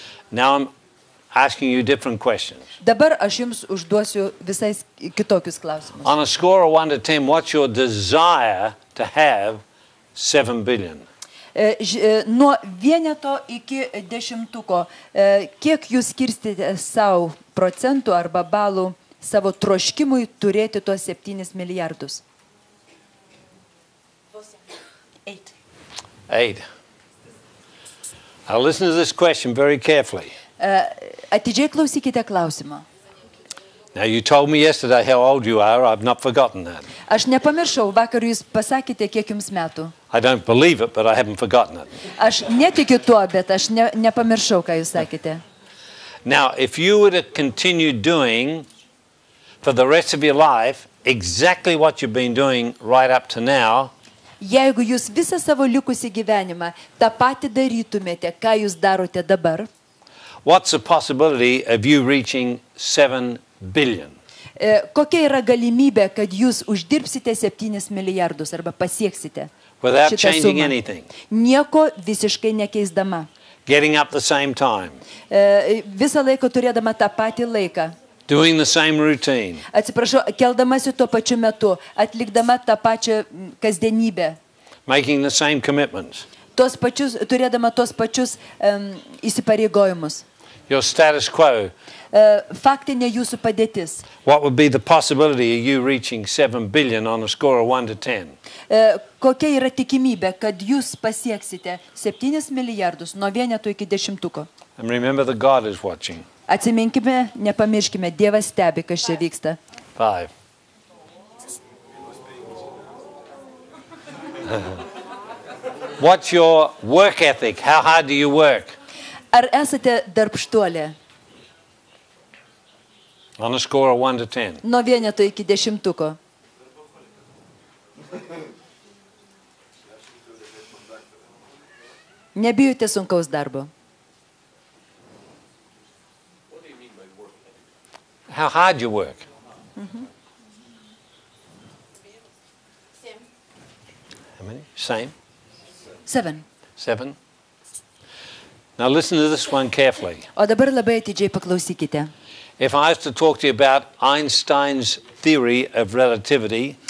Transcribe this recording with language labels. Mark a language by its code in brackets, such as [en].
[en] Now I'm asking you different questions. [lt] Dabar aš jums užduosiu visais kitokius klausimus. [en] On a score of 1 to 10, what's your desire to have 7 billion? [lt] Nuo vieneto iki dešimtuko, kiek jūs skirstite sau procentų arba balų savo troškimui turėti tuos 7 milijardus? 8. [en] I'll listen to this question very carefully. [lt] Atidžiai klausykite klausimą. [en] Now you told me yesterday how old you are. I've not forgotten that. [lt] Aš nepamiršau, vakar jūs pasakėte, kiek jums metų. [en] I don't believe it, but I haven't forgotten it. [lt] Aš netikiu tuo, bet aš nepamiršau, ką jūs sakėte. [en] Now, if you were to continue doing for the rest of your life exactly what you've been doing right up to now, [lt] jeigu jūs visą savo likusį gyvenimą tą patį darytumėte, ką jūs darote dabar, [en] what's the possibility of you reaching 7 billion? [lt] Kokia yra galimybė, kad jūs uždirbsite 7 milijardus arba pasieksite? [en] Without changing anything. [lt] Nieko visiškai nekeisdama. [en] Getting up the same time. [lt] Visą laiką turėdama tą patį laiką. [en] Doing the same routine. [lt] Atsiprašau, keldamasi tuo pačiu metu, atlikdama tą pačią kasdienybę. [en] Making the same commitments. [lt] Tos pačius, turėdama tos pačius įsipareigojimus. [en] Your status quo. [lt] Faktinė jūsų padėtis. [en] What would be the possibility of you reaching 7 billion on a score of 1 to 10? [lt] Kokia yra tikimybė, kad jūs pasieksite 7 milijardus nuo vieneto iki dešimtuko? [en] And remember that God is watching. [lt] Atsiminkime, nepamirškime, Dievas stebi, kas čia vyksta. 5. [en] What's your work ethic? How hard do you work? [lt] Ar esate darbštuolė? [en] On a score of 1 to 10. [lt] Nuo vieneto iki dešimtuko. Nebijote sunkaus darbo? [en] How hard do you work? How many? Same. [lt] 7. [en] Now listen to this one carefully. [lt] O dabar labai atidžiai paklausykite. [en] If I was to talk to you about Einstein's theory of relativity,